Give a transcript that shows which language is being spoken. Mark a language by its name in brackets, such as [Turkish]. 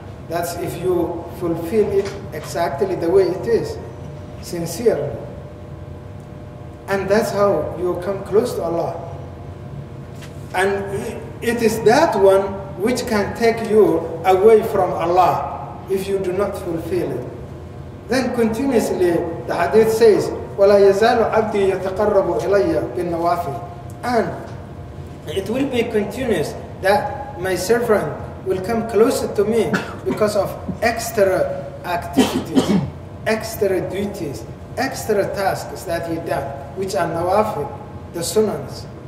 [English] That's if you fulfill it exactly the way it is, sincerely. And that's how you come close to Allah. And it is that one which can take you away from Allah if you do not fulfill it. Then continuously the hadith says, [Arabic] وَلَا يَزَالُ عَبْدِي يَتَقَرَّبُ إِلَيَّ بِالنَّوَافِلِ. [English] And it will be continuous that my servant will come closer to me because of extra activities, extra duties, extra tasks that he done, which are nawafil, the sunans.